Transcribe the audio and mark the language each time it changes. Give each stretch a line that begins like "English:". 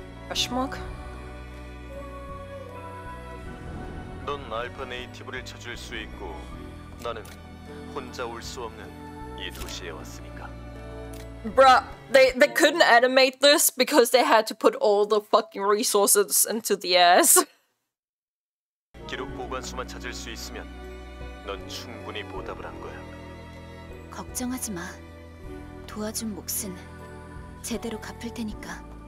Korean: Ashmok? 넌 알파 네이티브를 찾을 수 있고 나는 혼자 올 수 없는 이 도시에 왔으니까.
English: Bruh, they couldn't animate this because they had to put all the fucking resources into the ass.
Korean: 기록 보관소만 찾을 수 있으면 넌 충분히 보답을 한 거야. 걱정하지 마. 도와준 몫은 제대로 갚을 테니까.